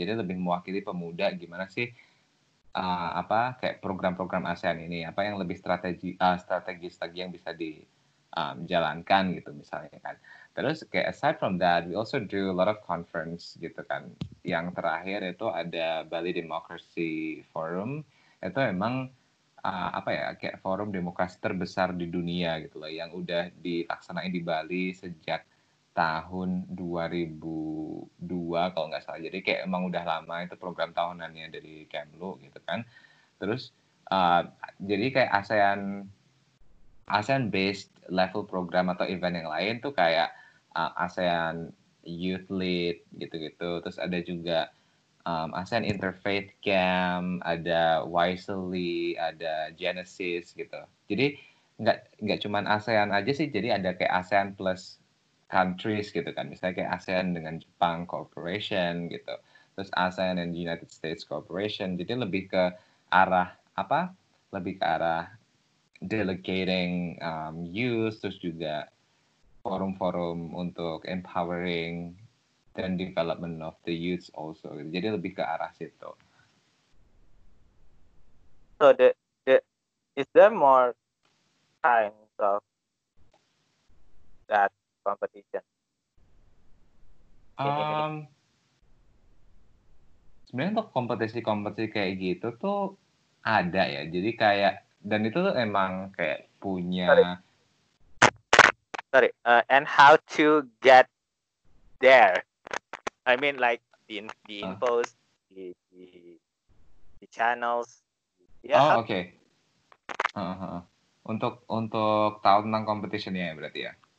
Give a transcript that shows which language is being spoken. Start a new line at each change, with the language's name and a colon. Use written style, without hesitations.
Indonesian: Jadi lebih mewakili pemuda, gimana sih kayak program-program ASEAN ini, apa yang lebih strategis lagi yang bisa dijalankan gitu misalnya kan. Terus kayak
English: aside from that, we also do a lot of conference
Indonesian: gitu kan. Yang terakhir itu ada Bali Democracy Forum. Itu emang kayak forum demokrasi terbesar di dunia gitu loh, yang udah dilaksanain di Bali sejak tahun 2002 kalau nggak salah. Jadi kayak emang udah lama itu program tahunannya dari Kemlu gitu kan. Terus jadi kayak ASEAN based level program atau event yang lain tuh kayak ASEAN Youth Lead gitu-gitu. Terus ada juga ASEAN Interfaith Camp, ada Wisely, ada Genesis gitu. Jadi nggak cuma ASEAN aja sih, jadi ada kayak ASEAN plus countries gitu kan. Misalnya kayak ASEAN dengan Jepang Corporation gitu. Terus ASEAN and United States Corporation. Jadi lebih ke arah apa? Lebih ke arah
English: delegating youth,
Indonesian: terus juga forum-forum untuk empowering dan
English: development of the youth also.
Indonesian: Jadi lebih ke arah situ.
English: So the is there more kinds of that competition?
Indonesian: Sebenarnya untuk kompetisi-kompetisi kayak gitu tuh ada ya. Jadi kayak, dan itu tuh emang kayak punya.
English: Sorry. And how to get there? I mean like the infos, the channels. Yeah. Oh, okay.
Indonesian: Untuk tahu tentang competition-nya ya berarti ya.